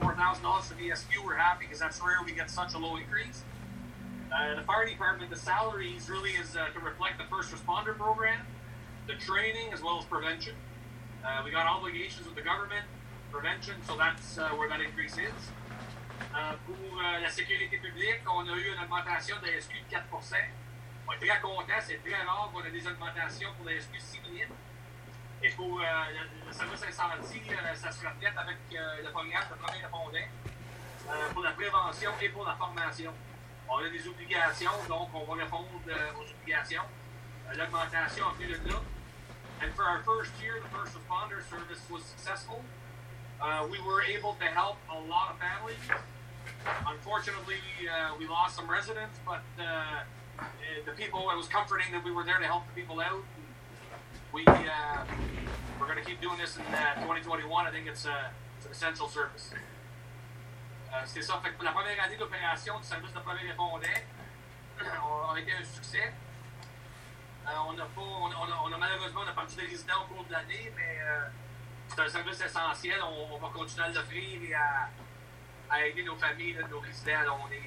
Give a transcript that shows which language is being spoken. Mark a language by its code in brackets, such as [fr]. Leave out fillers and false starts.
[en] $4,000 to VSQ, we're happy because that's rare we get such a low increase. The fire department, the salaries really is to reflect the first responder program, the training, as well as prevention. We got obligations with the government, prevention, so that's where that increase is. [fr] Pour la sécurité publique, on a eu une augmentation de SQ de 4%. On est très content, c'est très rare qu'on ait des augmentations pour les SQ civiles. Et pour le service incendie, ça se reflète avec le premier répondant pour la prévention et pour la formation. On a des obligations, donc on va répondre aux obligations. L'augmentation a pris le bloc. [en] And for our first year, the first responder service was successful. We were able to help a lot of families. Unfortunately, we lost some residents, but the people, it was comforting that we were there to help the people out. And we're going to keep doing this in 2021. I think it's an essential service. [fr] C'est ça. Fait que la première année d'opération du service de premier répondant a été un succès. On a malheureusement a perdu des résidents au cours de l'année, mais... C'est un service essentiel, on va continuer à l'offrir et à aider nos familles, nos résidents.